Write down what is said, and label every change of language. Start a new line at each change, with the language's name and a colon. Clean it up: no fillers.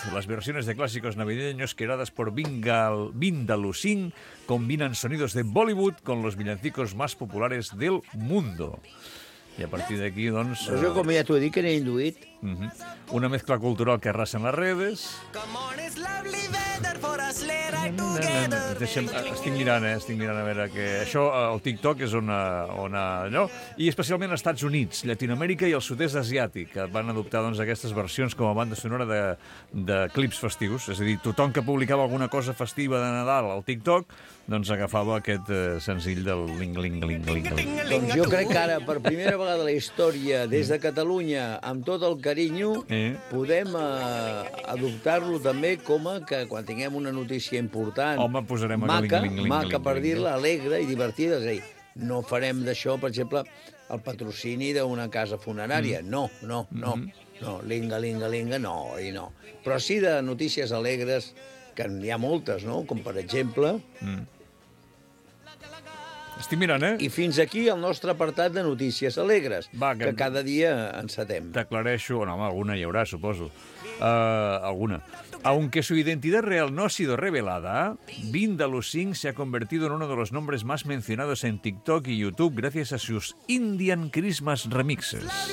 Spanish: Las versiones de clásicos navideños creadas por Vindaloo Singh combinan sonidos de Bollywood con los villancicos más populares del mundo.
Catalan: I a partir d'aquí, doncs...
Spanish: Pues yo, como ya te he dicho, era induït. Una mezcla cultural que arrasa en las redes.
English: Come on, it's lovely weather for us, let it together.
Catalan: Estic mirant a veure que... Això, el TikTok, és on allò... I especialment als Estats Units, Llatinoamèrica i el sud-est asiàtic, que van adoptar, doncs, aquestes versions com a banda sonora de clips festius. És a dir, tothom que publicava alguna cosa festiva de Nadal al TikTok, doncs agafava aquest senzill del ling-ling-ling-ling-ling. Doncs jo crec que ara, per primera vegada a la història, des de Catalunya, amb tot el carinyo, podem adoptar-lo també com a que quan tinguem una notícia important... Home, posarem maca, per dir-la, alegre i divertida. És a dir, no farem d'això, per exemple, el patrocini d'una casa funerària. Mm. No. Linga, no, i no. Però sí de notícies alegres, que n'hi ha moltes, no? Com, per exemple... Estic mirant, I fins aquí el nostre apartat de notícies alegres, que cada dia encetem. T'aclareixo... No, home, alguna hi haurà, suposo. Alguna.
Spanish: Aunque su identidad real no ha sido revelada, Vindaloo Singh se ha convertido en uno de los nombres más mencionados en TikTok y YouTube gracias a sus Indian Christmas remixes.